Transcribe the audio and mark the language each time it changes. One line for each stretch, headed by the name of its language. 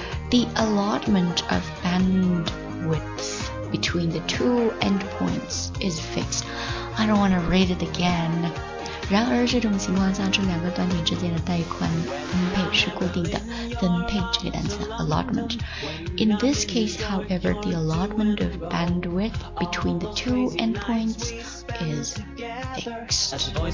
English: The allotment of bandwidthBetween the two endpoints is fixed. I don't want to read it again.
Chinese: 然而这种情况下，这两个端点之间的带宽分配是固定的。分配这个单词 allotment.
English: In this case, however, the allotment of bandwidth between the two endpoints is fixed.